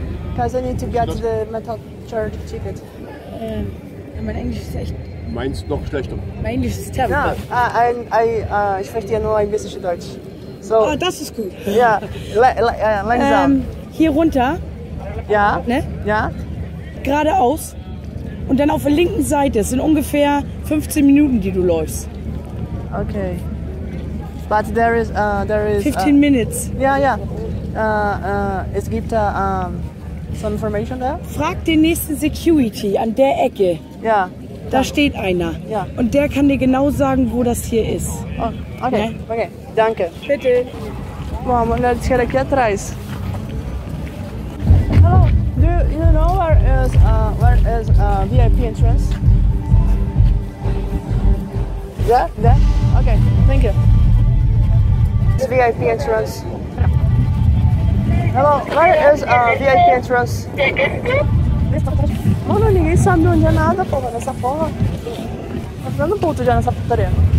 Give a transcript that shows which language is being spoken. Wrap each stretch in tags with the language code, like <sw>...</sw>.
<en>Because I need to get the metal charge ticket.</en> <de>Mein Englisch ist echt. Meins noch schlechter. Mein Englisch ist terrible. Ja, ich spreche nur ein bisschen Deutsch.</de> <en>So.</en> <de>Oh, das ist gut. Ja, langsam. Hier runter. Ja. Ne? Ja. Geradeaus. Und dann auf der linken Seite. Es sind ungefähr 15 Minuten, die du läufst.</de> <en>Okay. But there is 15 minutes.</en> <de>Ja, ja. Es gibt da</de> <en>some information there.</en> <de>Frag den nächsten Security an der Ecke. Ja.</de> <en>Yeah.</en> <de>Da steht einer. Ja.</de> <en>Yeah.</en> <de>Und der kann dir genau sagen, wo das hier ist. Oh, okay. Ne? Okay. Danke. Bitte. Boah, man hat sich hier atrás. Hallo.</de> <en>Do you know where is VIP entrance? There? Okay, thank you. It's VIP entrance. Hello, where is VIP entrance?</en> <pt>Mano, ninguém sabe onde é nada, porra, nessa porra. Tá ficando puto já nessa putaria.</pt>